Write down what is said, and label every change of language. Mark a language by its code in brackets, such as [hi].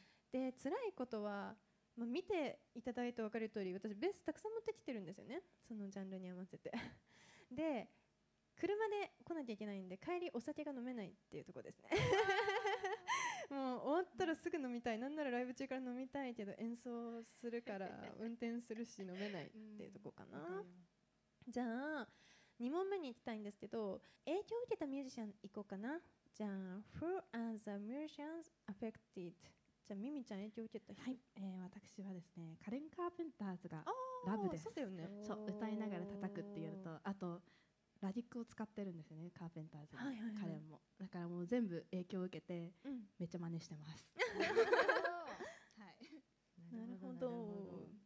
[ja] で辛いことは、まあ、見ていただいて分かる通り、私ベースたくさん持ってきてるんですよね、そのジャンルに合わせてで車で来なきゃいけないんで、帰りお酒が飲めないっていうところですねもう終わったらすぐ飲みたい、なんならライブ中から飲みたいけど、演奏するから運転するし飲めないっていうところかな。じゃあ2問目に行きたいんですけど、影響を受けたミュージシャン行こうかな。 [en] じゃあ Who are the musicians affected? [ja] じゃあミミちゃん影響を受けた人。はい、私はですね、カレン・カーペンターズがラブです。そうだよね、そう、歌いながら叩くっていうのと、あとラディックを使ってるんですよね、カーペンターズの、はいはいはい、彼もだからもう全部影響を受けて、うん、めっちゃ真似してます、はい、なるほど、なるほど、